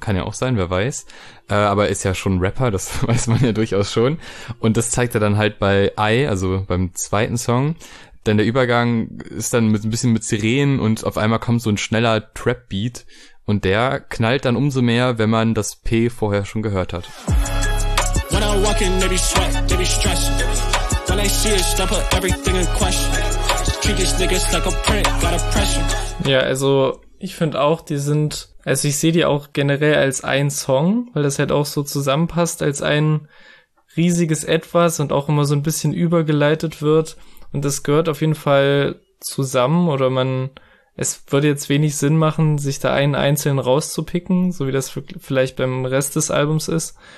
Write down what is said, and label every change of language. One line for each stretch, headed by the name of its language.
German: Kann ja auch sein, wer weiß. Aber ist ja schon Rapper, das weiß man ja durchaus schon. Und das zeigt er dann halt bei I, also beim zweiten Song. Denn der Übergang ist dann mit ein bisschen mit Sirenen und auf einmal kommt so ein schneller Trap-Beat. Und der knallt dann umso mehr, wenn man das P vorher schon gehört hat.
English: When I walk in, they be sweat, they be stressed. When I see it, stop put everything in question. Treat these niggas like a print, got a pressure.
German: Ja, also ich finde auch, die sind, also ich sehe die auch generell als ein Song, weil das halt auch so zusammenpasst als ein riesiges Etwas und auch immer so ein bisschen übergeleitet wird. Und das gehört auf jeden Fall zusammen, oder man, es würde jetzt wenig Sinn machen, sich da einen einzelnen rauszupicken, so wie das vielleicht beim Rest des Albums ist.